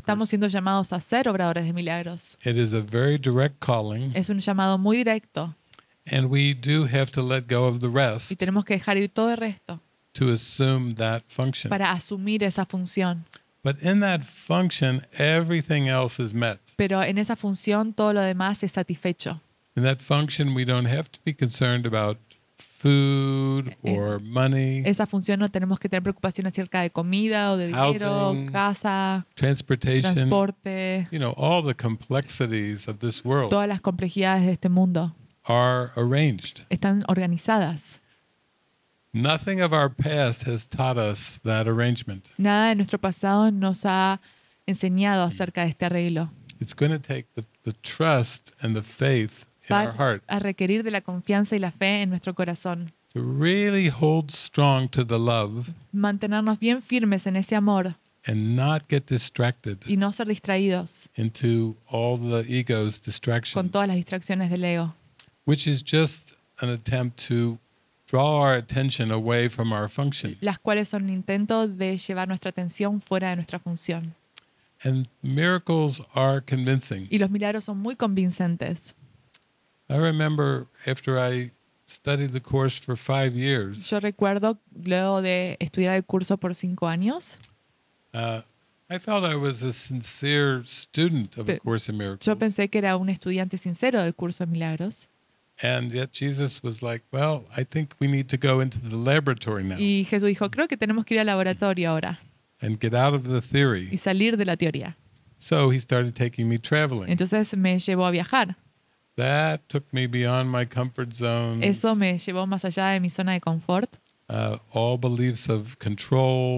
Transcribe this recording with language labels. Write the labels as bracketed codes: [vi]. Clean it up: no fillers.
[es] Estamos siendo llamados a ser obradores de milagros. [en] It is a very direct calling. [es] Es un llamado muy directo. [en] And we do have to let go of the rest. [es] Y tenemos que dejar ir todo el resto. [en] To assume that function. [es] Para asumir esa función. [en] But in that function, everything else is met. [es] Pero en esa función todo lo demás es satisfecho. [en] In that function, we don't have to be concerned about food or money. [es] Esa función no tenemos que tener preocupación acerca de comida o de dinero, [en] housing, [es] casa, [en] transportation, [es] transporte. [en] You know, all the complexities of this world. [es] Todas las complejidades de este mundo. [en] Are arranged. [es] Están organizadas. [en] Nothing of our past has taught us that arrangement. [es] Nada de nuestro pasado nos ha enseñado acerca de este arreglo. [en] It's going to take the trust and the faith in our heart. [es] Va a requerir de la confianza y la fe en nuestro corazón. [en] To really hold strong to the love. [es] Mantenernos bien firmes en ese amor. [en] And not get distracted. [es] Y no ser distraídos. [en] Into all the ego's distractions. [es] Con todas las distracciones del ego. [en] Which is just an attempt to draw our attention away from our function. [es] Las cuales son un intento de llevar nuestra atención fuera de nuestra función. [en] And miracles are convincing. [es] Y los milagros son muy convincentes. [en] I remember after I studied the course for 5 years. [es] Yo recuerdo luego de estudiar el curso por 5 años. [en] I felt I was a sincere student of a Course in Miracles. [es] Yo pensé que era un estudiante sincero del curso de milagros. [en] And yet Jesus was like, "Well, I think we need to go into the laboratory now." [es] Y Jesús dijo, "Creo que tenemos que ir al laboratorio ahora." [en] And get out of the theory. [es] Y salir de la teoría. [en] So he started taking me traveling. [es] Entonces me llevó a viajar. [en] That took me beyond my comfort zone. [es] Eso me llevó más allá de mi zona de confort. [en] All beliefs of control.